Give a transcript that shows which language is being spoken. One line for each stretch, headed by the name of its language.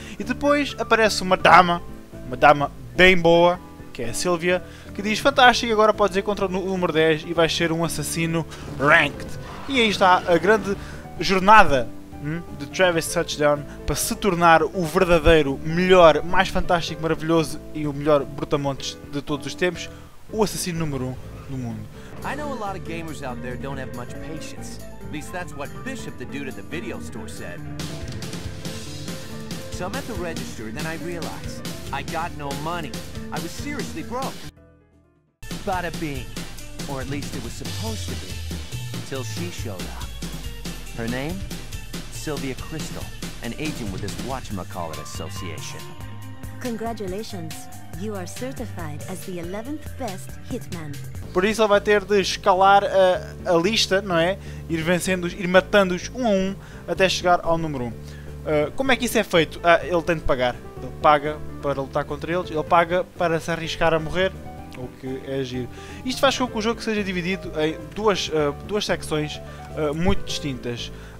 Portuguese: E depois aparece uma dama bem boa, que é a Sylvia, que diz: fantástico, agora podes ir contra o número 10 e vais ser um assassino ranked. E aí está a grande jornada de Travis Touchdown para se tornar o verdadeiro, melhor, mais fantástico, maravilhoso e o melhor brutamontes de todos os tempos, o assassino número 1 do mundo.
English: I know a lot of gamers out there don't have much patience. At least that's what Bishop, the dude at the video store, said. So I'm at the register and then I realize I got no money. I was seriously broke. Bada bing. Or at least it was supposed to be. Until she showed up. Her name? Sylvia Crystal, an agent with this Whatchamacallit Association. Congratulations. You are certified as the 11th best hitman.
Portuguese: Por isso ele vai ter de escalar a lista, não é? Ir vencendo-os, ir matando-os um a um até chegar ao número 1. Como é que isso é feito? Ah, ele tem de pagar. Ele paga para lutar contra eles, ele paga para se arriscar a morrer, o que é giro. Isto faz com que o jogo seja dividido em duas secções muito distintas.